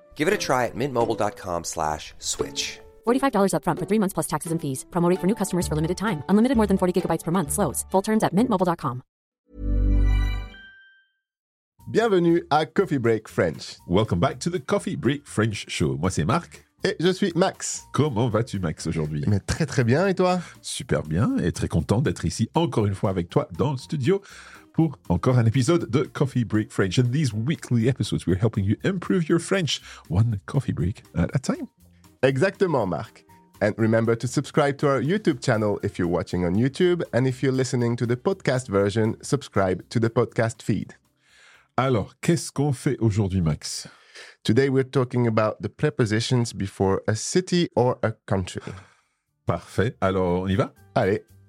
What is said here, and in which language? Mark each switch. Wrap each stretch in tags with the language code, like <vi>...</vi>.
<en>Give it a try at mintmobile.com/switch. $45 up front for 3 months plus taxes and fees. Promo rate for new customers for limited time. Unlimited more than 40 gigabytes per month slows. Full terms at mintmobile.com.</en> <fr>Bienvenue à Coffee Break French.</fr> <en>Welcome back to the Coffee Break French show.</en> <fr>Moi, c'est Marc. Et je suis Max. Comment vas-tu, Max, aujourd'hui? Mais très, très bien. Et toi? Super bien et très content d'être ici encore une fois avec toi dans le studio pour encore un épisode de Coffee Break French.</fr> <en>And these weekly episodes, we're helping you improve your French one coffee break at a time.</en> <fr>Exactement, Marc.</fr> <en>And remember to subscribe to our YouTube channel if you're watching on YouTube. And if you're listening to the podcast version, subscribe to the podcast feed.</en> <fr>Alors, qu'est-ce qu'on fait aujourd'hui, Max?</fr> <en>Today we're talking about the prepositions before a city or a country.</en> <fr>Parfait. Alors, on y va? Allez.</fr>